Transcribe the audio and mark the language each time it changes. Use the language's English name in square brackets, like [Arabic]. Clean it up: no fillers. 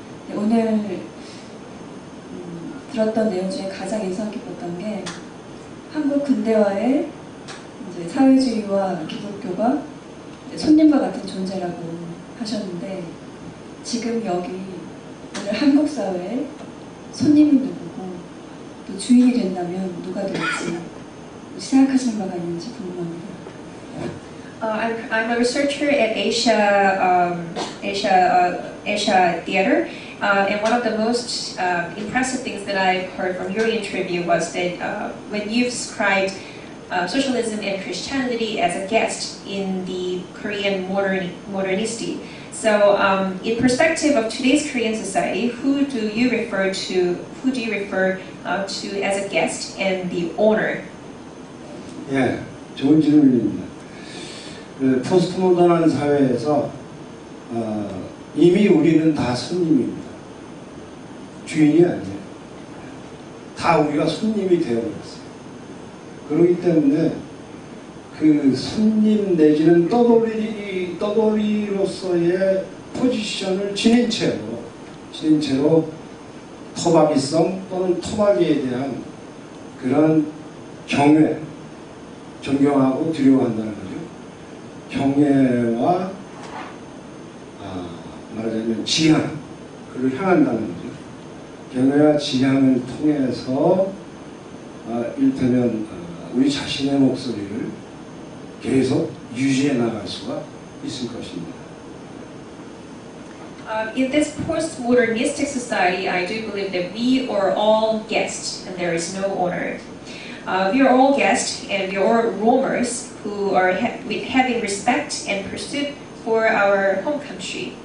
[Korean] 네, 오늘 들었던 내용 중에 가장 인상 깊었던 게 한국 근대화의 이제 사회주의와 기독교가 손님과 같은 존재라고 하셨는데 지금 여기 오늘 한국 사회의 손님은 누구고 또 주인이 된다면 누가 될지 생각하시는 바가 있는지 궁금합니다. [English] I'm a researcher at Asia Theater, and one of the most impressive things that I've heard from your interview was that when you've described socialism and Christianity as a guest in the Korean modernity. So, in perspective of today's Korean society, who do you refer to as a guest and the owner? [Korean] Yeah, 좋은 질문입니다. 포스트모던한 사회에서 이미 우리는 다 손님입니다. 주인이 아니에요. 다 우리가 손님이 되어버렸어요. 그렇기 때문에 그 손님 내지는 떠돌이로서의 포지션을 지닌 채로, 지닌 채로 토박이성 또는 토박이에 대한 그런 경외, 존경하고 두려워한다는 거죠. 경외와 말하자면 지향, 그를 향한다는 거죠. 경외와 지향을 통해서 이를테면 우리 자신의 목소리를 계속 유지해 나갈 수가 있을 것입니다. [English] In this postmodern mystic society, I do believe that we are all guests and there is no owner. We are all guests and we are roamers who are having respect and pursuit for our home country.